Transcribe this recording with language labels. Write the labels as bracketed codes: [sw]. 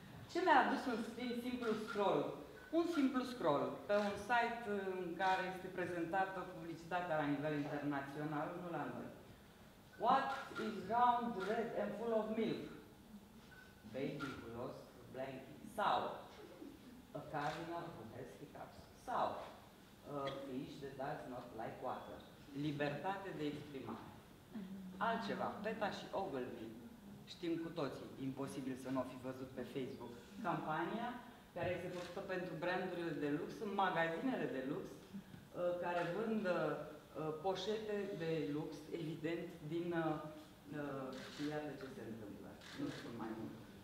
[ro] Ce mi-a adus un simplu scroll? Un simplu scroll pe un site în care este prezentată publicitatea la nivel internațional, nu la noi. [en] What is round, red and full of milk? Baby who lost a blanket. Sour. A cardinal who has hiccups. Sour. A fish that does not like water. [ro] Libertate de exprimare. Altceva, Beta și Ogilvy, știm cu toții, imposibil să nu o fi văzut pe Facebook, campania care este făcută pentru brandurile de lux, în magazinele de lux, care vând poșete de lux, evident, din... Și iată ce se întâmplă. Nu știu mai mult.